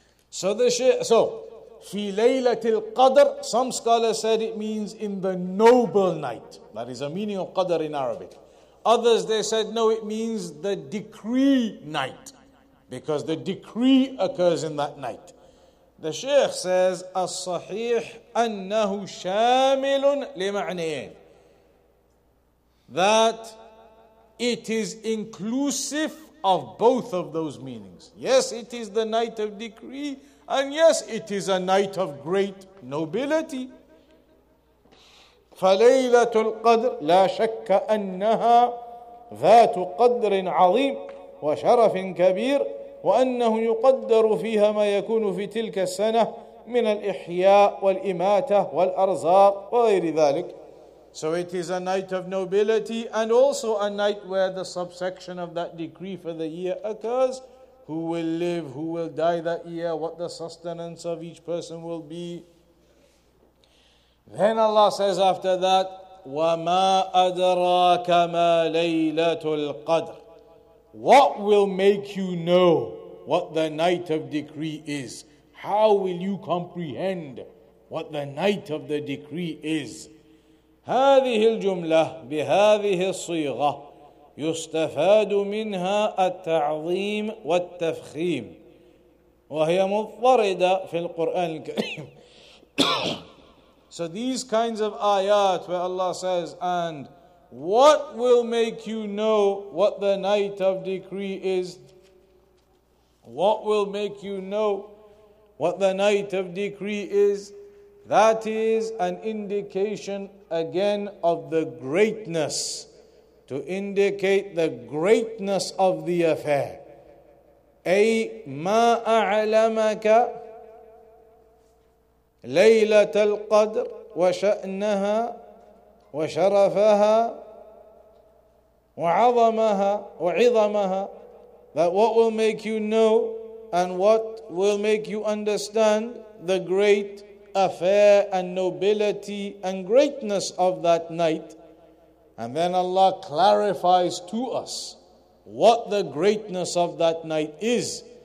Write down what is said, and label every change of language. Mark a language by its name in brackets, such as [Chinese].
[English] So the [Arabic] في ليلة القدر, [English] some scholars said it means in the noble night. That is a meaning of Qadr in Arabic. Others, they said, no, it means the decree night. Because the decree occurs in that night. The Shaykh says, [Arabic] الصحيح أنه شامل لمعنيين. [English] That it is inclusive of both of those meanings. Yes, it is the night of decree. And yes, it is a night of great nobility. [Arabic] فَلَيْلَةُ الْقَدْرِ لَا شَكَّ أَنَّهَا ذَاتُ قَدْرٍ عَظِيمٍ وَشَرَفٍ كَبِيرٍ وَأَنَّهُ يُقَدَّرُ فِيهَا مَا يَكُونُ فِي تِلْكَ السَّنَةِ مِنَ الْإِحْيَاءِ وَالْإِمَاتَةِ وَالْأَرْزَاقِ وَغَيْرِ ذَلِكَ. [English] So it is a night of nobility and also a night where the subsection of that decree for the year occurs. Who will live, who will die that year, what the sustenance of each person will be. Then Allah says after that, [Arabic] وَمَا أَدْرَاكَ مَا لَيْلَةُ الْقَدْرِ. [English] What will make you know what the night of decree is? How will you comprehend what the night of the decree is? [Arabic] هذه الجملة بهذه الصيغة يستفاد منها التعظيم والتفخيم وهي مضطردة في القرآن الكريم. [English] So these kinds of ayat where Allah says, and what will make you know what the night of decree is? What will make you know what the night of decree is? That is an indication again of the greatness, to indicate the greatness of the affair. [Arabic] أي ما أعلمك ليلة القدر وشأنها وشرفها وعظمها وعظمها. [English] That what will make you know and what will make you understand the great affair and nobility and greatness of that night. And then Allah clarifies to us what the greatness of that night is.